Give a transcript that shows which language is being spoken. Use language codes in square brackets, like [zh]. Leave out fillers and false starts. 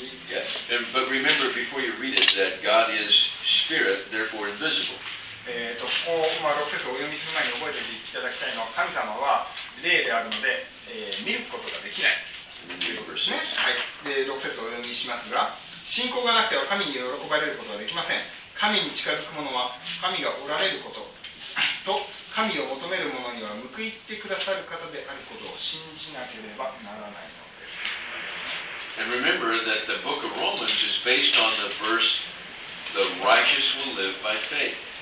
[en] Yes, but remember before you read it that God is spirit, therefore invisible. [ja] ここ、まあ、6節をお読みする前に覚えていただきたいのは、神様は霊であるので、見ることができない。ね、はい、で6節をお読みしますが、信仰がなくては神に喜ばれることはできません。神に近づく者は神がおられることと、神を求める者には報いてくださる方であることを信じなければならないのです。 [en] And remember that the book of Romans is based on the verse, the righteous will live by faith.